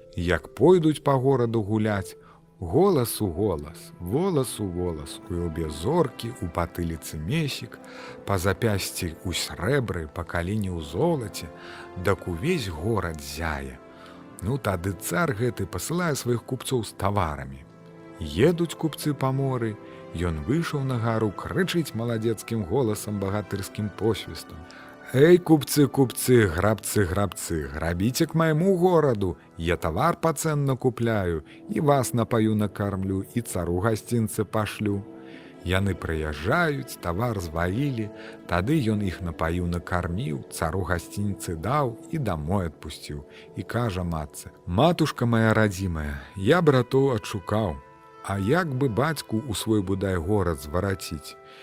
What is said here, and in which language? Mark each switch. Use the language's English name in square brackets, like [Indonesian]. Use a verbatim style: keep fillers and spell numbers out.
[Belarusian] Як пойдуць па гораду гуляць, голас у голас, волас у волас, у ілбе зоркі, у патыліцы месік, па запясці ў срэбры, па калені ў золаце, дак увесь горад зяе. Ну тады цар гэты пасылае сваіх купцоў з таварамі. Едуць купцы па моры, ён выйшаў на гару, крычыць маладзецкім голасам, багатырскім посвістам. [Russian] «Эй, купцы, купцы, грабцы, грабцы, грабите к моему городу, я товар по цен накупляю, и вас напою, накормлю, и цару гостинцы пошлю». [Belarusian] Яны прыязджаюць, товар звалілі, тады ён іх напаю, накарміў, цару гостинцы даў і домой отпусціў. І кажа матцы: «Матушка моя радзімая, я братоў адшукаў, а як бы бацьку ў свой будай горад звараціць?